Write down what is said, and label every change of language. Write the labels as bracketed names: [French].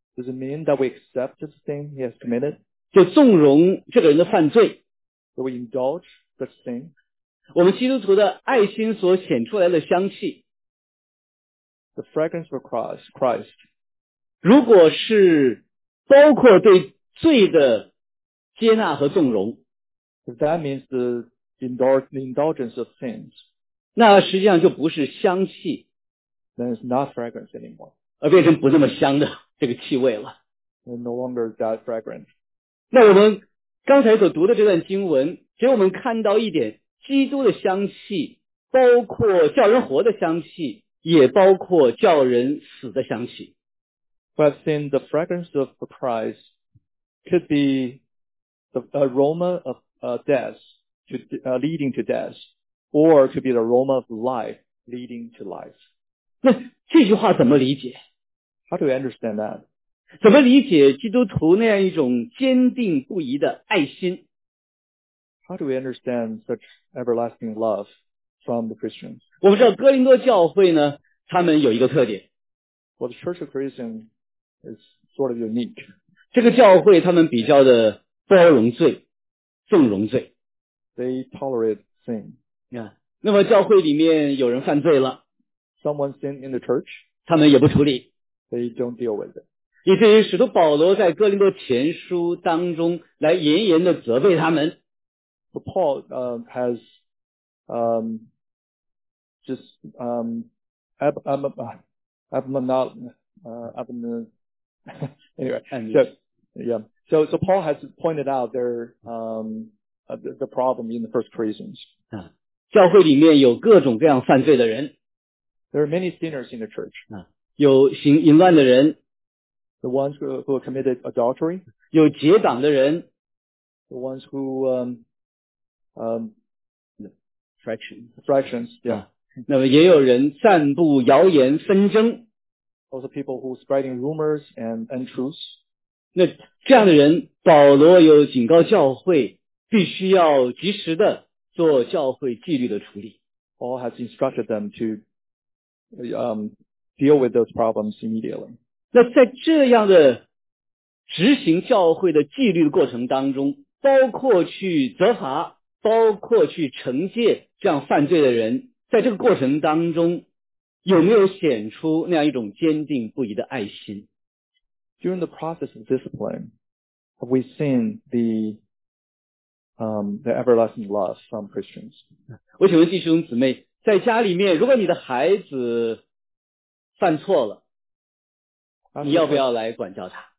[English] Does it mean that we accept the thing he has committed? [Chinese] 就纵容这个人的犯罪 [English] Do we indulge the thing? [Chinese] 我们基督徒的爱心所显出来的香气 [English] The fragrance of Christ [Chinese] 如果是包括对罪的接纳和纵容 [English] If that means the indulgence of sins [Chinese] 那实际上就不是香气 [English] Then it's not fragrance anymore [Chinese] 而变成不那么香的这个气味了 [English] And no longer that fragrant [Chinese] 那我们刚才所读的这段经文给我们看到一点基督的香气包括叫人活的香气也包括叫人死的香气 [English] But then the fragrance of ChristCould be the aroma of death to, leading to death, or could be the aroma of life leading to life. [Chinese] 那这句话怎么理解? [English] How do you understand that? [Chinese] 怎么理解基督徒那样一种坚定不移的爱心? [English] How do we understand such everlasting love from the Christians? [Chinese] 我们知道哥林多教会呢，他们有一个特点。 [English] Well, the Church of Christians is sort of unique. [Chinese] 这个教会他们比较的包容罪纵容罪 [English] They tolerate sin、 [Chinese] 那么教会里面有人犯罪了 [English] Someone sinned in the church [Chinese] 他们也不处理 [English] They don't deal with it [Chinese] 以至于使徒保罗在哥林多前书当中来严严的责备他们 [English] But Paul has just So Paul has pointed out their, the problem in the first Corinthians. [Chinese] 教会里面有各种各样犯罪的人。 [English] There are many sinners in the church. [Chinese] 有行淫乱的人。 [English] The ones who committed adultery. [Chinese] 有结党的人。 [English] The ones who, fractions. [Chinese] 那么也有人散布谣言纷争。 [English] Also people who are spreading rumors and untruths. [Chinese] 那这样的人保罗有警告教会必须要及时的做教会纪律的处理。 [English] Paul has instructed them to, deal with those problems immediately. [Chinese] 那在这样的执行教会的纪律的过程当中包括去责罚包括去惩戒这样犯罪的人在这个过程当中有没有显出那样一种坚定不移的爱心 [English] During the process of discipline, have we seen the everlasting love from Christians? [Chinese] 我请问弟兄姊妹在家里面如果你的孩子犯错了你要不要来管教他